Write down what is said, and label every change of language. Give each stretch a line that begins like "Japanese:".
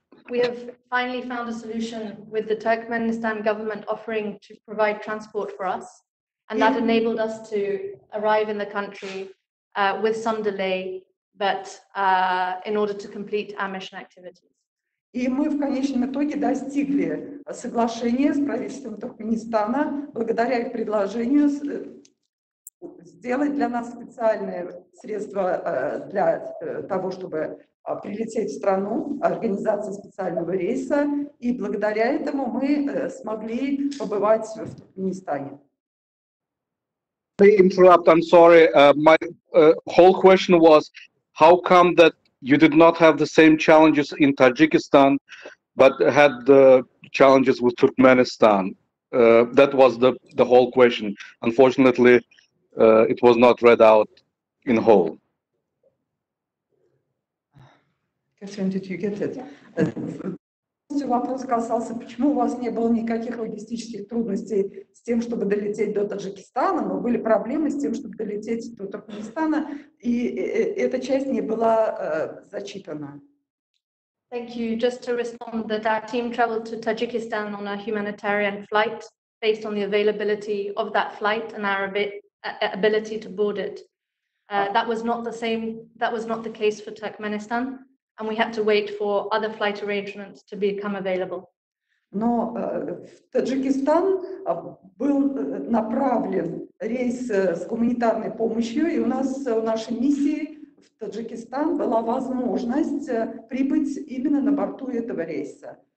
English: We have finally found a solution with the Turkmenistan government offering to provide transport for us. And that enabled us to arrive in the country with some delay, but in order to complete our mission activities.
Russian: И мы в конечном итоге достигли соглашения с правительством Туркменистана благодаря их предложению сделать для нас специальное средство для того, чтобы прилететь в страну, организация специального рейса, и благодаря этому мы смогли побывать в Туркменистане.
English: Please interrupt, I'm sorry. My whole question was, how come that you did not have the same challenges in Tajikistan, but had the challenges with Turkmenistan? That was the whole question. Unfortunately, it was not read out in whole. Catherine, did you get it?
Russian: Вопрос касался, почему у вас не было никаких логистических трудностей с тем, чтобы долететь до Таджикистана, но были проблемы с тем, чтобы долететь до Туркменистана, и эта часть не была зачитана.
English: Thank you. Just to respond that our team traveled to Tajikistan on a humanitarian flight based on the availability of that flight and our ability to board it. That was not the same, that was not the case for Turkmenistan. And we had to wait for other flight arrangements to become available.
Russian: Но в Таджикистан был направлен рейс с гуманитарной помощью, и у нас в нашей миссии в Таджикистан была возможность прибыть именно на борту этого рейса.